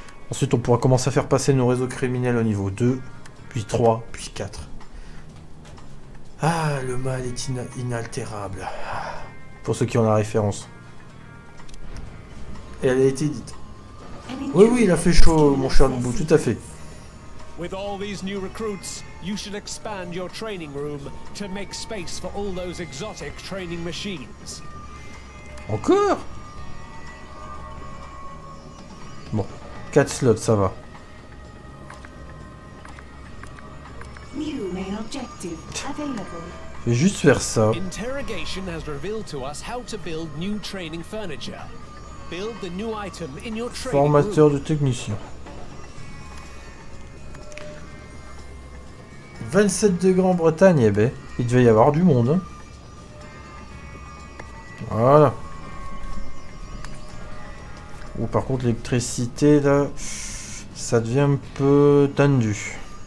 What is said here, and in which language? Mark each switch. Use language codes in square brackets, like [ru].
[fr] Ensuite, on pourra commencer à faire passer nos réseaux criminels au niveau 2, puis 3, puis 4. Ah, le mal est inaltérable. Pour ceux qui ont la référence. Elle a été dite. Oui, oui, il a fait chaud, mon cher Nubu, tout à fait. [en] With all these new recruits, you should expand your training room to make space for all those exotic training machines. [fr] Encore ? Bon, 4 slots, ça va. [en] New main objective available. [fr] Je vais juste faire ça. [en] Interrogation has revealed to us how to build new training furniture. Build the new item in your training room. [fr] Formateur de technicien. 27 degrés en Bretagne, eh ben, il devait y avoir du monde. Voilà. Ou par contre, l'électricité, là, ça devient un peu tendu.